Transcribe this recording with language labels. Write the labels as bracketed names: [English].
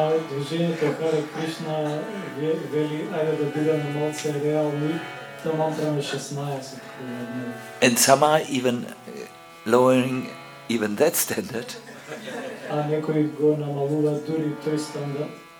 [Macedonian] Движението Hare Krishna вели, ајде да бидеме малце реални, та мантраме 16. [English] And some are even lowering even that standard. [Macedonian] А некои го намалуваат дури тој стандард.